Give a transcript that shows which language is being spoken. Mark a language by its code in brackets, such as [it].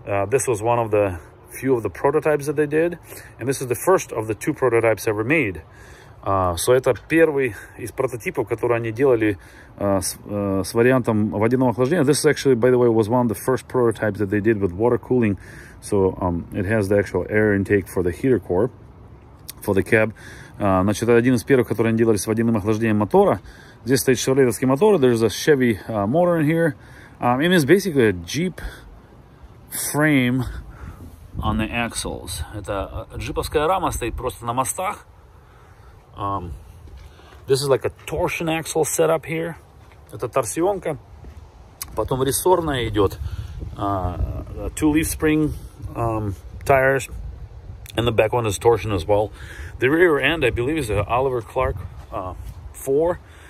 [en] This was one of the few of the prototypes that they did. And this is the first of the two prototypes ever made. [ru] So это первый из прототипов, которые они делали с вариантом водяного охлаждения. [en] This is actually, by the way, was one of the first prototypes that they did with water cooling. So it has the actual air intake for the heater core for the cab. [ru] Значит, это один из первых, которые они делали с водяным охлаждением мотора. Здесь стоит шевролетовский мотор. [en] There's a Chevy motor in here. It is basically a Jeep frame on the axles. [ru] Это джиповская рама стоит просто на мостах. [en] This is like a torsion axle setup here. [ru] Это торсионка. Потом рессорная идет. [en] Two leaf spring tires. And the back one is torsion as well. The rear end, I believe, is an Oliver Clark 4.